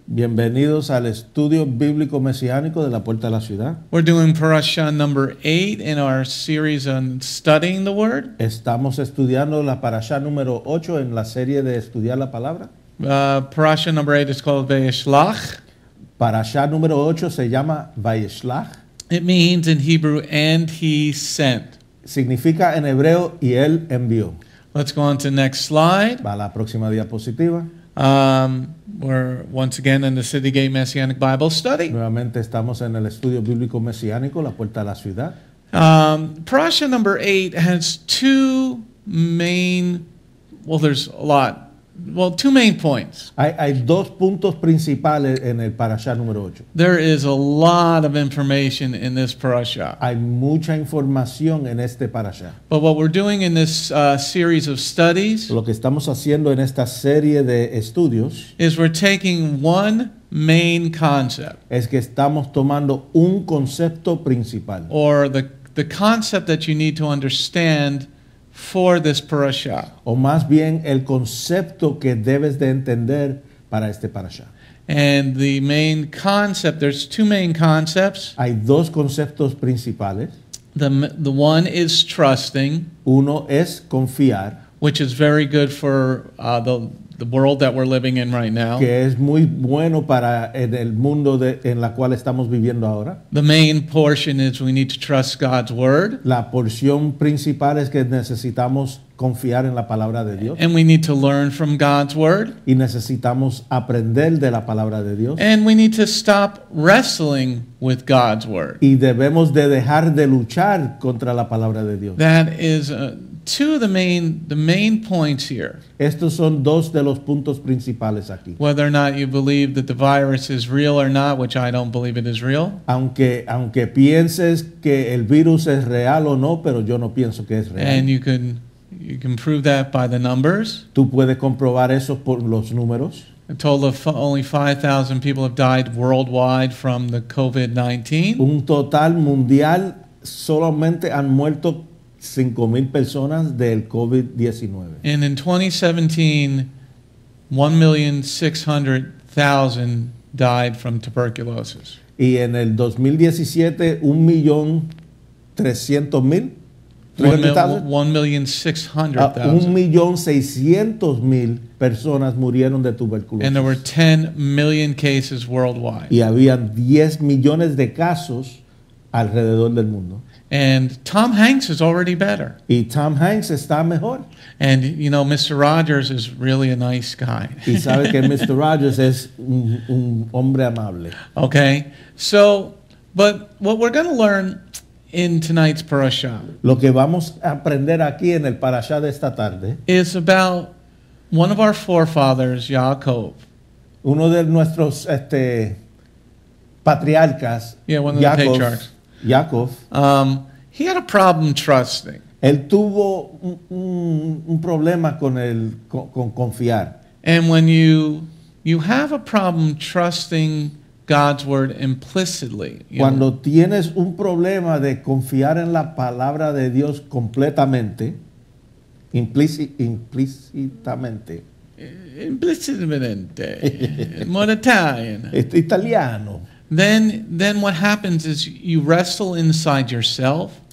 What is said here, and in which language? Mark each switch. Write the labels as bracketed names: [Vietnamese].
[Spanish] Bienvenidos al estudio bíblico mesiánico de la puerta de la ciudad. [English] We're doing parasha number 8 in our series on studying the word. [Spanish] Estamos estudiando la parasha número 8 en la serie de estudiar la palabra. [English] Parasha number 8 is called Vayeshlach. [Spanish] Parasha número 8 se llama Vayeshlach. [English] It means in Hebrew, and he sent. [Spanish] Significa en hebreo, y él envió. [English] Let's go on to the next slide. [Spanish] Va a la próxima diapositiva. [English] We're once again in the City Gate Messianic Bible Study. [Spanish] Nuevamente estamos en el estudio bíblico mesiánico, la puerta de la ciudad. [English] Parasha number 8 has two main, well, there's a lot. Well, two main points. [Spanish] Hay dos puntos principales en el parasha número 8. [English] There is a lot of information in this parasha. [Spanish] Hay mucha información en este parasha. [English] But what we're doing in this series of studies, [Spanish] lo que estamos haciendo en esta serie de estudios, [English] is we're taking one main concept. [Spanish] Es que estamos tomando un concepto principal. [English] Or the concept that you need to understand for this parasha. [Spanish] O más bien el concepto que debes de entender para este parasha. [English] And the main concept, there's two main concepts. [Spanish] Hay dos conceptos principales. [English] The one is trusting. [Spanish] Uno es confiar. [English] Which is very good for the world that we're living in right now. [Spanish] Que es muy bueno para el mundo en la cual estamos viviendo ahora. [English] The main portion is we need to trust God's word. [Spanish] La porción principal es que necesitamos confiar en la palabra de Dios. [English] And we need to learn from God's word. [Spanish] Y necesitamos aprender de la palabra de Dios. [English] And we need to stop wrestling with God's word. [Spanish] Y debemos de dejar de luchar contra la palabra de Dios. [English] That is two of the main points here. [Spanish] Estos son dos de los puntos principales aquí. [English] Whether or not you believe that the virus is real or not, which I don't believe it is real. [Spanish] Aunque pienses que el virus es real o no, pero yo no pienso que es real. [English] And you can prove that by the numbers. [Spanish] Tú puedes comprobar eso por los números. [English] A total of only 5,000 people have died worldwide from the COVID-19. [Spanish] Un total mundial solamente han muerto 5,000 personas del COVID-19. [English] And in 2017, 1,600,000 died from tuberculosis. [Spanish] Y en el 2017, 1,300,000. 1,600,000 personas murieron de tuberculosis. [English] And there were 10 million cases worldwide. [Spanish] Y habían 10 millones de casos alrededor del mundo. [English] And Tom Hanks is already better. [Spanish] Y Tom Hanks está mejor. [English] And you know, Mr. Rogers is really a nice guy. [Spanish] Y sabe que Mr. Rogers es un hombre amable. [English] Okay. So, but what we're going to learn in tonight's parasha, [Spanish] lo que vamos a aprender aquí en el parasha de esta tarde, [English] is about one of our forefathers, Jacob. [Spanish] Uno de nuestros patriarcas, [English] yeah, one of Jacob, the patriarchs. Jacob, he had a problem trusting. [Spanish] Él tuvo un problema con confiar. [English] And when you have a problem trusting God's word implicitly. [Spanish] Cuando tienes un problema de confiar en la palabra de Dios completamente, implícitamente. [English] Implicitamente. More Italian. [Spanish] Italiano. [English] Then what happens is you wrestle inside yourself.